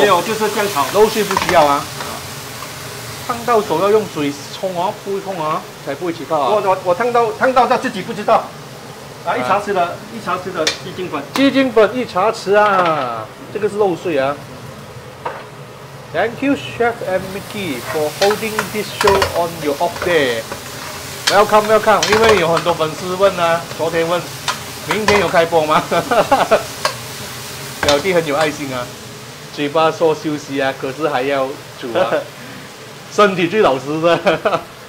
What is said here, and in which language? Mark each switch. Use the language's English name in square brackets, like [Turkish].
[Chinese] 没有，就是酱炒。肉碎不需要啊。烫到手要用水冲啊，不会痛啊，才不会起泡啊。我烫到他自己不知道。来，一茶匙的，一茶匙的鸡精粉。鸡精粉一茶匙啊，这个是肉碎啊。 [English] Thank you, Chef and Mickey, for holding this show on your off day. Welcome, welcome. [Chinese] 因为有很多粉丝问啊，昨天问，明天有开播吗？表弟很有爱心啊，嘴巴说休息啊，可是还要煮啊，身体最老实的。